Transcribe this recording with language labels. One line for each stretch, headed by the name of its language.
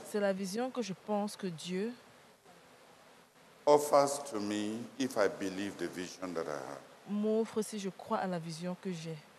French: C'est la vision que je pense que Dieu.
English: Offers to me if I believe the vision that I have.
French: M'offre si je crois à la vision que j'ai.